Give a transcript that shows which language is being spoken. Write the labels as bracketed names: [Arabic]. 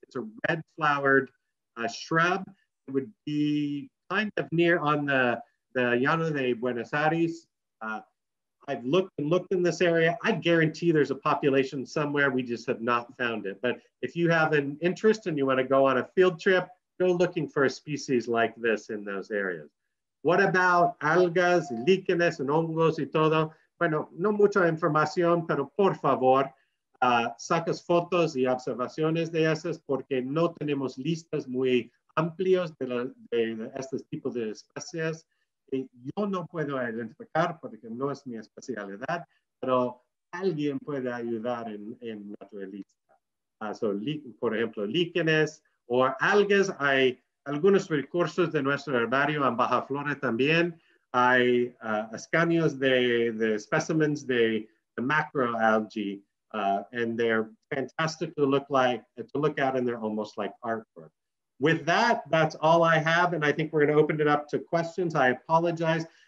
[English] It's a red flowered shrub. It would be kind of near on the Llano de Buenos Aires, I've looked and looked in this area. I guarantee there's a population somewhere. We just have not found it. But if you have an interest and you want to go on a field trip, go looking for a species like this in those areas. What about [Spanish] algas, líquenes, and hongos y todo? Bueno, no mucha información, pero por favor, sacas fotos y observaciones de esas porque no tenemos listas muy amplios de estos tipos de especies. Y yo no puedo identificar porque no es mi especialidad, pero alguien puede ayudar en naturalista. Por ejemplo, líquenes o algas. Hay algunos recursos de nuestro herbario en Baja Flores también. Hay escaños de [English] specimens de macroalgae, and they're fantastic to look at, and they're almost like artwork. With that, that's all I have, and I think we're going to open it up to questions. I apologize.